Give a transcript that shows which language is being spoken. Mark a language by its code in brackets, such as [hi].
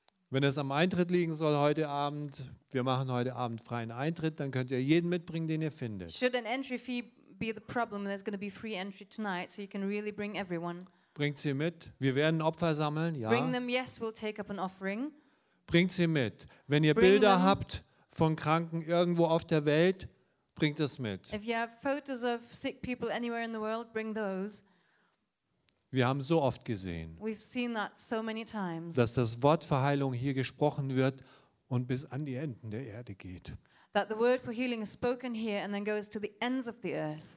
[de] Wenn es am Eintritt liegen soll heute Abend, wir machen heute Abend freien Eintritt, dann könnt ihr jeden mitbringen, den ihr findet. [en] Should an entry fee be the problem, there's going to be free entry tonight, so you can really bring everyone. [de] Bringt sie mit. Wir werden Opfer sammeln, ja. [en] Bring them, yes, we'll take up an offering. [de] Bringt sie mit. Wenn ihr Bilder habt von Kranken irgendwo auf der Welt, bringt es mit. [en] If you have photos of sick people anywhere in the world, bring those. [de] Wir haben so oft gesehen, [en] we've seen that so many times, [de] dass das Wort für Heilung hier gesprochen wird und bis an die Enden der Erde geht. [en] That the word for healing is spoken here and then goes to the ends of the earth.